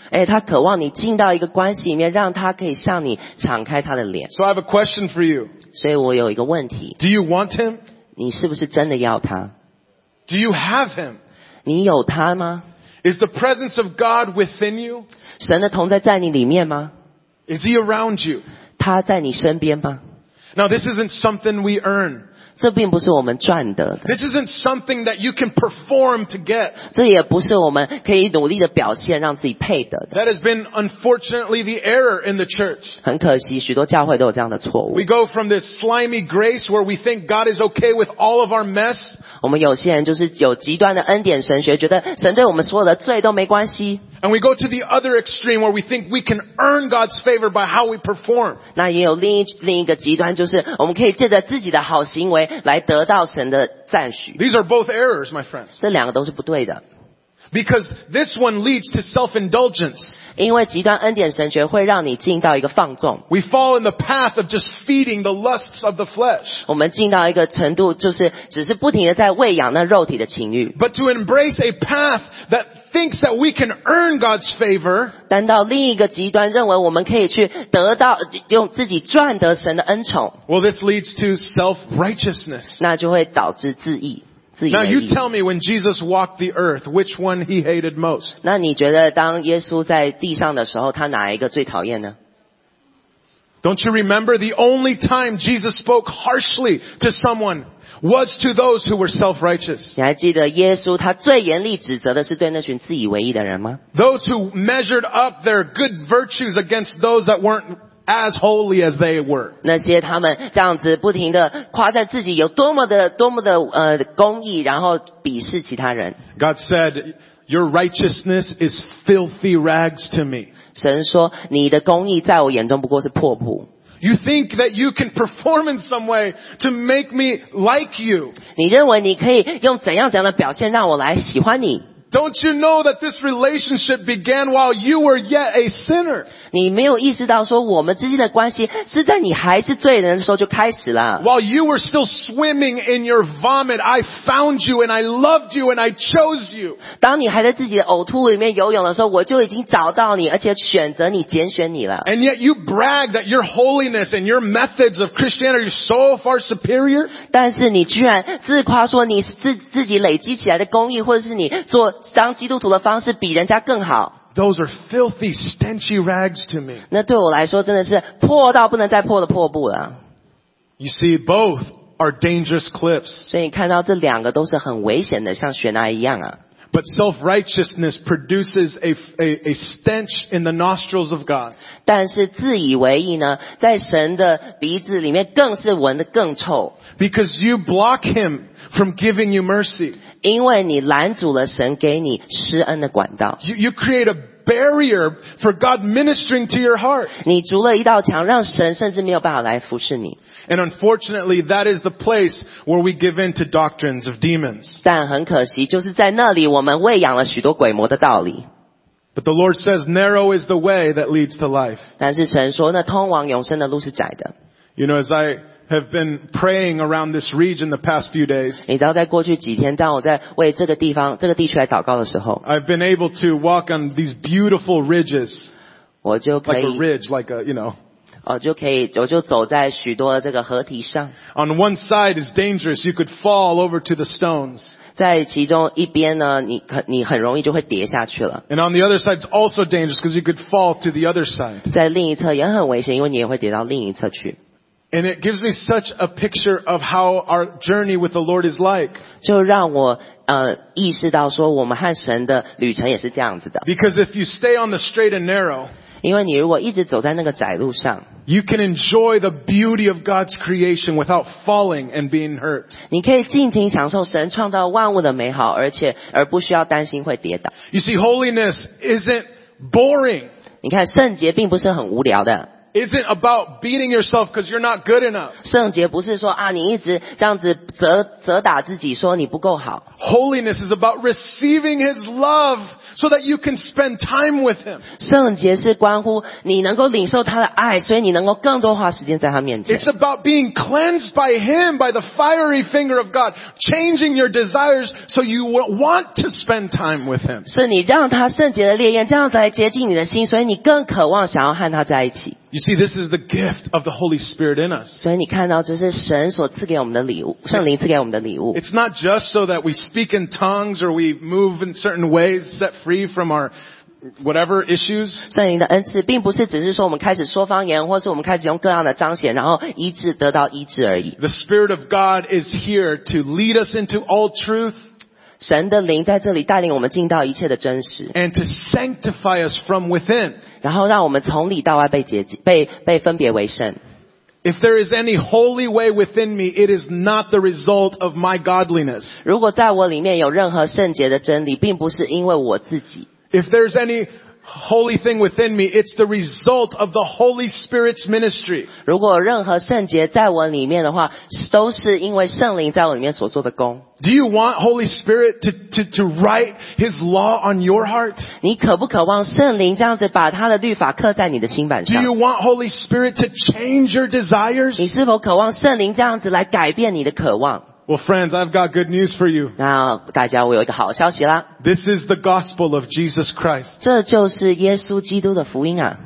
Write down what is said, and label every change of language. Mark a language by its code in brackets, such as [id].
[zh] 哎，他渴望你进到一个关系里面，让他可以向你敞开他的脸。 [en] So I have a question for you. [zh] 所以我有一个问题。 [en] Do you want Him? [zh] 你是不是真的要他 [en] ？Do you have Him? [zh] 你有他吗？ [en] Is the presence of God within you? [zh] 神的同在在你里面吗？ [en] Is he around you? [zh] 他在你身边吗？ [en] Now this isn't something we earn. [zh] 这并不是我们赚得的。 [en] This isn't something that you can perform to get. [zh] 这也不是我们可以努力的表现让自己配得的。 [en] That has been unfortunately the error in the church. [zh] 很可惜，许多教会都有这样的错误。 [en] We go from this slimy grace where we think God is okay with all of our mess. [zh] 我们有些人就是有极端的恩典神学，觉得神对我们所有的罪都没关系。 [en] And we go to the other extreme where we think we can earn God's favor by how we perform. [zh] 那也有另一个极端，就是我们可以借着自己的好行为来得到神的赞许。 [en] These are both errors, my friends. [zh] 这两个都是不对的。 [en] Because this one leads to self-indulgence. [zh] 因为极端恩典神学会让你进到一个放纵。 [en] We fall in the path of just feeding the lusts of the flesh. [zh] 我们进到一个程度，就是只是不停的在喂养那肉体的情欲。 [en] But to embrace a path thatThinks that we can earn God's favor. [zh] 但到另一个极端，认为我们可以去得到用自己赚得神的恩宠。 [en] Well, this leads to self-righteousness. [zh] 那就会导致自义，自以为义。 [en] Now you tell me when Jesus walked the earth, which one he hated most? [zh] 那你觉得当耶稣在地上的时候，他哪一个最讨厌呢？ [en] Don't you remember the only time Jesus spoke harshly to someone? Was to those who were self-righteous. [zh] 你还记得耶稣他最严厉指责的是对那群自以为义的人吗？ [en] Those who measured up their good virtues against those that weren't as holy as they were. [zh] 那些他们这样子不停地夸赞自己有多么的公义，然后鄙视其他人。 [en] God said, "Your righteousness is filthy rags to me." [zh] 神说，你的公义在我眼中不过是破布。 [en] You think that you can perform in some way to make me like you. [zh] 你认为你可以用怎样怎样的表现让我来喜欢你？ [en] Don't you know that this relationship began while you were yet a sinner? [zh] 你没有意识到说我们之间的关系是在你还是罪人的时候就开始了。 [en] While you were still swimming in your vomit, I found you and I loved you and I chose you. [zh] 当你还在自己的呕吐里面游泳的时候，我就已经找到你，而且选择你，拣选你了。 [en] And yet you brag that your holiness and your methods of Christianity are so far superior. [zh] 但是你居然自夸说你自己累积起来的公义，或者是你做当基督徒的方式比人家更好。 [en] Those are filthy, stenchy rags to me. [zh] 那对我来说真的是破到不能再破的破布了。 [en] You see, both are dangerous cliffs. [zh] 所以你看到这两个都是很危险的，像悬崖一样啊。 [en] But self-righteousness produces a stench in the nostrils of God. [zh] 但是自以为意呢，在神的鼻子里面更是闻得更臭。 [en] Because you block him from giving you mercy. [zh] 因为你拦阻了神给你施恩的管道。 [en] You create a barrier for God ministering to your heart. [zh] 你筑了一道墙，让神甚至没有办法来服侍你。 [en] And unfortunately, that is the place where we give in to doctrines of demons. [zh] 但很可惜，就是在那里我们喂养了许多鬼魔的道理。 [en] But the Lord says, "Narrow is the way that leads to life." [zh] 但是神说，那通往永生的路是窄的。 [en] You know, as I have been praying around this region the past few days. [zh] 你知道在过去几天，当我在为这个地方、这个地区来祷告的时候 [en] ，I've been able to walk on these beautiful ridges. [zh] 我就可以 [en] like a ridge, like a you know. [zh] 我就走在许多的这个河堤上。 [en] On one side is dangerous. You could fall over to the stones. [zh] 在其中一边呢，你很容易就会跌下去了。 [en] And on the other side is also dangerous because you could fall to the other side. [zh] 在另一侧也很危险，因为你也会跌到另一侧去。 [en] And it gives me such a picture of how our journey with the Lord is like. [zh] 就让我意识到说我们和神的旅程也是这样子的。 [en] Because if you stay on the straight and narrow, [zh] 因为你如果一直走在那个窄路上 [en] you can enjoy the beauty of God's creation without falling and being hurt. [zh] 你可以尽情享受神创造万物的美好，而不需要担心会跌倒。 [en] You see, holiness isn't boring. [zh] 你看圣洁并不是很无聊的。 [en] Isn't about beating yourself because you're not good enough. [zh] 圣洁不是说啊，你一直这样子责打自己，说你不够好。 [en] Holiness is about receiving His love so that you can spend time with Him. [zh] 圣洁是关乎你能够领受他的爱，所以你能够更多花时间在他面前。 [en] It's about being cleansed by Him by the fiery finger of God, changing your desires so you want to spend time with Him. [zh] 是你让他圣洁的烈焰这样子来接近你的心，所以你更渴望想要和他在一起。 [en] You see, this is the gift of the Holy Spirit in us. [zh] 所以你看到这是神所赐给我们的礼物，圣灵赐给我们的礼物。 [en] It's not just so that we speak in tongues or we move in certain ways set free from our whatever issues. [zh] 圣灵的恩赐并不是只是说我们开始说方言，或是我们开始用各样的彰显，然后医治得到医治而已。 [en] The Spirit of God is here to lead us into all truth. [zh] 神的灵在这里带领我们进到一切的真实。 [en] And to sanctify us from within. [zh] 然后让我们从里到外被洁净，被分别为圣。 [en] If there is any holy way within me, it is not the result of my godliness. [zh] 如果在我里面有任何圣洁的真理，并不是因为我自己。 [en] If there's any holy thing within me, it's the result of the Holy Spirit's ministry. [zh] 如果任何圣洁在我里面的话，都是因为圣灵在我里面所做的工。 [en] Do you want Holy Spirit to write His law on your heart? [zh] 你可不渴望圣灵这样子把他的律法刻在你的心板上 [en] ？Do you want Holy Spirit to change your desires? [zh] 你是否渴望圣灵这样子来改变你的渴望？ [en] Well, friends, I've got good news for you. [zh] 那大家，我有一个好消息啦。 [en] This is the gospel of Jesus Christ. [zh] 这就是耶稣基督的福音啊。